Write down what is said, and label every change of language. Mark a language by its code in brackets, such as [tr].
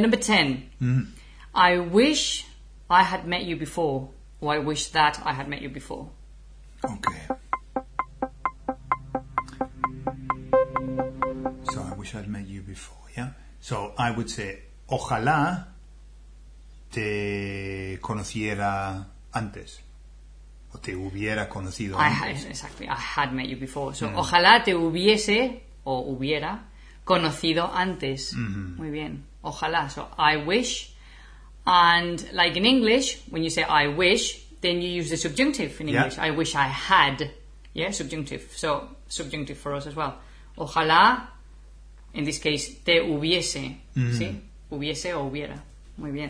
[en] Number 10. Mm-hmm. I wish I had met you before, or I wish that I had met you before. Okay. So, I wish I'd met you before, yeah? So, I would say, ojalá... [es] te conociera antes, o te hubiera conocido antes. [en] I had met you before. [es] So, ojalá te hubiese, o hubiera, conocido antes. Mm-hmm. Muy bien. Ojalá. [en] So, I wish. And, like in English, when you say I wish, then you use the subjunctive in English. Yeah. I wish I had. Yeah, subjunctive. So, subjunctive for us as well. [es] Ojalá, [en] in this case, [es] te hubiese. Mm-hmm. ¿Sí? Hubiese o hubiera. Muy bien.